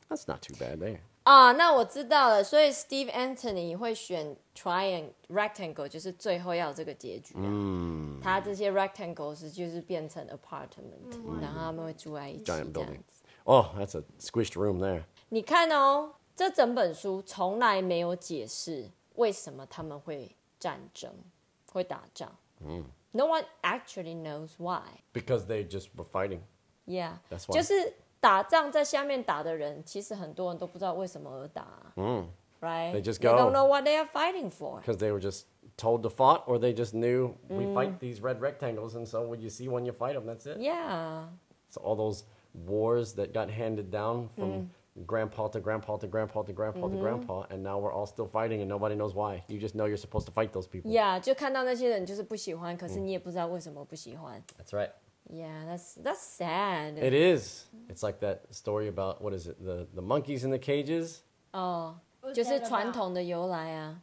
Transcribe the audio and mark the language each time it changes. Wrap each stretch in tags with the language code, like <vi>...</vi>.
<en>That's not too bad there.</en> <zh>那我知道了。所以 Steve Anthony 会选 triangle rectangle 就是最后要这个结局、他这些 rectangles 就是变成 apartment、然后他们会住在一起</zh> <en>Giant building. Oh, that's a squished room there.</en> <zh>你看哦这整本书从来没有解释为什么他们会战争，会打仗。</zh> <en>No one actually knows why. Because they just were fighting. Yeah. That's why.</en> <zh>就是打仗在下面打的人，其实很多人都不知道为什么而打。</zh> <en>Right? They just go. They don't know what they are fighting for. Because they were just told to fight, or they just knew we fight these red rectangles, and so when you see one, you fight them, that's it. Yeah. So all those wars that got handed down from grandpa to grandpa to grandpa to grandpa to grandpa, and now we're all still fighting, and nobody knows why. You just know you're supposed to fight those people.</en> <zh>Yeah, 就看到那些人就是不喜欢，可是你也不知道为什么不喜欢。</zh> <en>That's right. Yeah, that's sad. It is. It's like that story about, what is it, the monkeys in the cages?</en> <zh>Oh, 就是传统的由来啊。</zh>